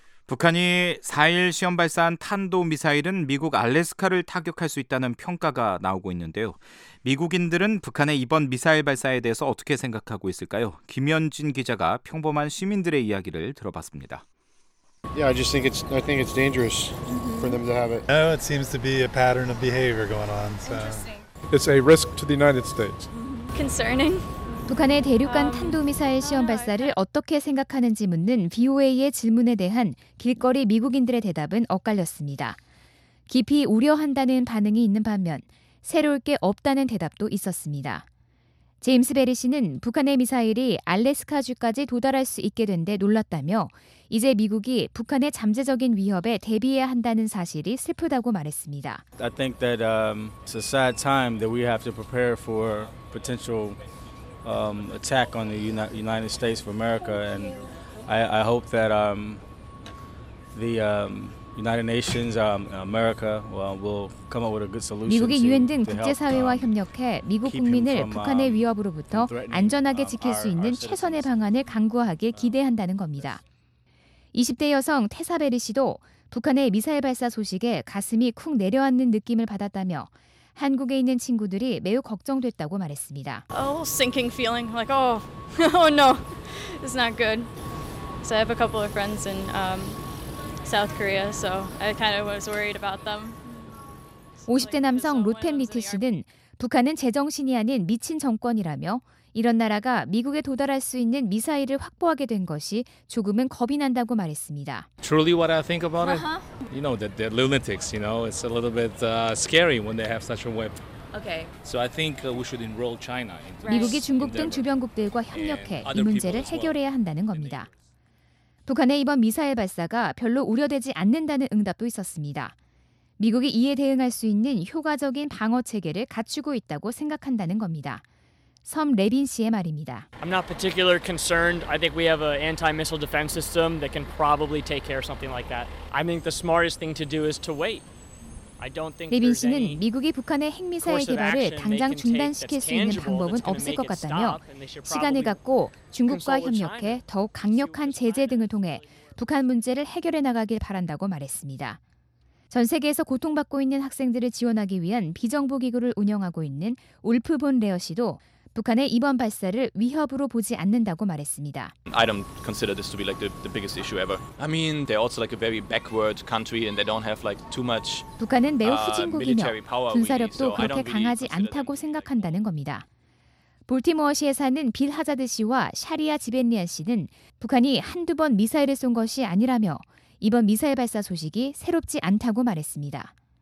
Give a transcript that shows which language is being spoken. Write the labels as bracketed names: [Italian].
[Korean] 북한이 4일 시험 발사한 탄도미사일은 미국 알래스카를 타격할 수 있다는 평가가 나오고 있는데요. 미국인들은 북한의 이번 미사일 발사에 대해서 어떻게 생각하고 있을까요? 김현진 기자가 평범한 시민들의 이야기를 들어봤습니다. [English] Yeah, I just think it's dangerous for them to have it. No, it seems to be a pattern of behavior going on. So. It's a risk to the United States. Concerning. [Korean] 북한의 대륙간 탄도미사일 시험 발사를 어떻게 생각하는지 묻는 VOA의 질문에 대한 길거리 미국인들의 대답은 엇갈렸습니다. 깊이 우려한다는 반응이 있는 반면 새로울 게 없다는 대답도 있었습니다. 제임스 베리 씨는 북한의 미사일이 알래스카주까지 도달할 수 있게 된 데 놀랐다며 이제 미국이 북한의 잠재적인 위협에 대비해야 한다는 사실이 슬프다고 말했습니다. [English] I think that it's a sad time that we have to prepare for potential attack on the United States of America, and I hope that the United Nations, America, will come up with a good solution. [Korean] 미국이 유엔 등 국제사회와 협력해 미국 국민을 북한의 위협으로부터 안전하게 지킬 수 있는 최선의 방안을 강구하길 기대한다는 겁니다. 20대 여성 테사베리 씨도 북한의 미사일 발사 소식에 가슴이 쿵 내려앉는 느낌을 받았다며. 한국에 있는 친구들이 매우 걱정됐다고 말했습니다. [English] A sinking feeling, like oh no, it's not good. So I have a couple of friends in South Korea, so I kind of was worried about them. [Korean] 50대 남성 로텐 미트 씨는 북한은 제정신이 아닌 미친 정권이라며 이런 나라가 미국에 도달할 수 있는 미사일을 확보하게 된 것이 조금은 겁이 난다고 말했습니다. [English] Truly what I think about it? You know, the lunatics, you know, it's a little bit scary when they have such a weapon. Okay. So I think we should enroll China into this. [Korean] 미국이 중국 등 주변국들과 협력해 이 문제를 해결해야 한다는 겁니다. 북한의 이번 미사일 발사가 별로 우려되지 않는다는 응답도 있었습니다. 미국이 이에 대응할 수 있는 효과적인 방어 체계를 갖추고 있다고 생각한다는 겁니다. 섬 레빈 씨의 말입니다. [English] I'm not particularly concerned. I think we have an anti-missile defense system that can probably take care of something like that. I think the smartest thing to do is to wait. I don't think [Korean] 레빈 씨는 미국이 북한의 핵미사일 개발을 당장 중단시킬 수 있는 방법은 없을 것 같다며 시간을 갖고 중국과 협력해 더욱 강력한 제재 등을 통해 북한 문제를 해결해 나가길 바란다고 말했습니다. 전 세계에서 고통받고 있는 학생들을 지원하기 위한 비정부기구를 운영하고 있는 울프 본 레어 씨도 북한의 이번 발사를 위협으로 보지 않는다고 말했습니다. [English] I don't consider this to be like the biggest issue ever. I mean, they're also like a very backward country and they don't have like too much. [Korean] 북한은 매우 후진국이며 군사력도 그렇게 강하지 않다고 생각한다는 겁니다. 볼티모어시에 사는 빌 하자드 씨와 샤리아 지벤리안 씨는 북한이 한두 번 미사일을 쏜 것이 아니라며 이번 미사일 발사 소식이 새롭지 않다고 말했습니다.